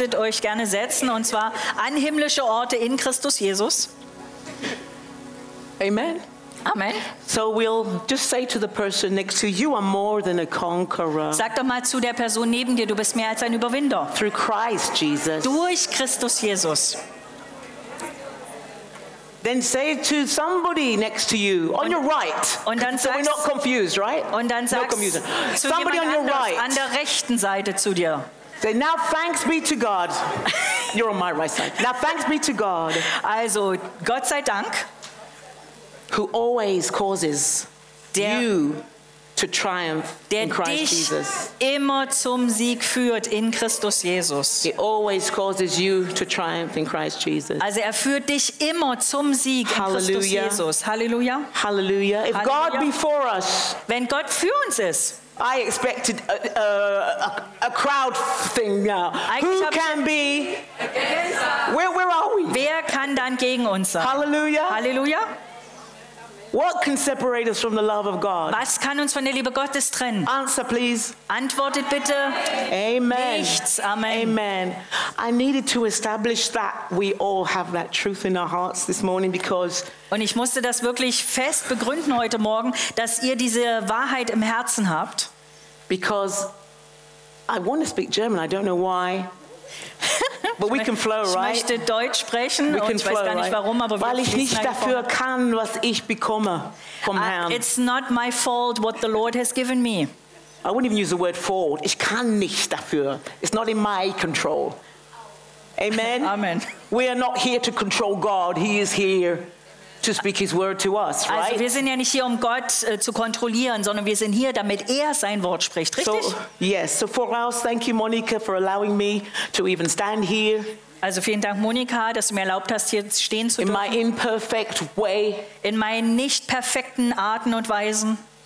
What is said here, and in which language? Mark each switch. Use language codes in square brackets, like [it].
[de] Dürftet euch gerne setzen, und zwar an himmlische Orte in Christus Jesus. Amen. Amen. [en] So we'll just say to the person next to you, you are more than a conqueror. [de] Sag doch mal zu der Person neben dir, du bist mehr als ein Überwinder. [en] Through Christ Jesus. [de] Durch Christus Jesus. [en] Then say to somebody next to you on your right. [de] Und dann [en] so we're not confused, right? [de] Und dann [en] no confusion. Somebody on your right. [de] An der rechten Seite zu dir. [en] Say now thanks be to God. You're on my right side. Now thanks be to God. [de] Also Gott sei Dank, [en] who always causes [de] der, [en] you to triumph [de] der [en] in Christ [de] dich [en] Jesus. [de] Immer zum Sieg führt in Christus Jesus. [en] He always causes you to triumph in Christ Jesus. [de] Also führt dich immer zum Sieg Hallelujah. In Christus Jesus. Halleluja. Halleluja. If Halleluja. [en] God be for us. [de] Wenn Gott für uns ist. [en] I expected a crowd thing now. [de] Eigentlich [en] who can be against us? Where are we? [de] Wer kann dann gegen uns sein? Halleluja. Halleluja. [en] What can separate us from the love of God? [de] Was kann uns von der Liebe Gottes trennen? [en] Answer, please. [de] Antwortet bitte. Amen. Nichts. Amen. Amen. [en] I needed to establish that we all have that truth in our hearts this morning because. [de] Und ich musste das wirklich fest begründen heute Morgen, dass ihr diese Wahrheit im Herzen habt. [en] Because I want to speak German. I don't know why. But we can flow, right? [de] Ich möchte Deutsch sprechen und ich weiß gar nicht warum, aber weil ich nicht dafür kann, was ich bekomme vom Herrn. [en] It's not my fault what the Lord has given me. I wouldn't even use the word fault. [de] Ich kann nicht dafür. [en] It's not in my control. Amen. Amen. We are not here to control God. He is here to speak his word to us, right? [de] Also wir sind ja nicht hier, um Gott zu kontrollieren, sondern wir sind hier, damit er sein Wort spricht, richtig? [en] So, yes, so for us, thank you, Monica, for allowing me to even stand here. [de] Also vielen Dank, Monika, dass du mir erlaubt hast, hier stehen zu dürfen. [en] In my imperfect way. [de] In meinen nicht perfekten Arten und Weisen.